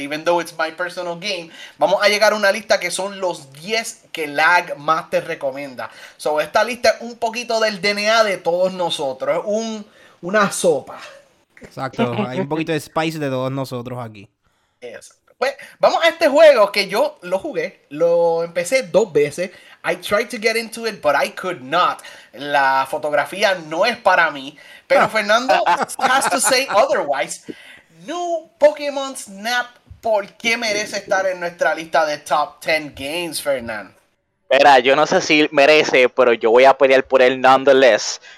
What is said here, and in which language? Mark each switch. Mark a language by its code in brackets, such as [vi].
[en] Even though it's my personal game, [es] vamos a llegar a una lista que son los 10 que Lag más te recomienda. So, esta lista es un poquito del DNA de todos nosotros. Es una sopa. Exacto. Hay un poquito de spice de todos nosotros aquí. Eso. Pues, vamos a este juego que yo lo jugué, lo empecé 2 veces. [en] I tried to get into it, but I could not. [es] La fotografía no es para mí, pero Fernando [en] has to say otherwise. [es] New Pokémon Snap, ¿por qué merece estar en nuestra lista de top 10 games, Fernando? Espera, yo no sé si merece, pero yo voy a pelear por él nonetheless.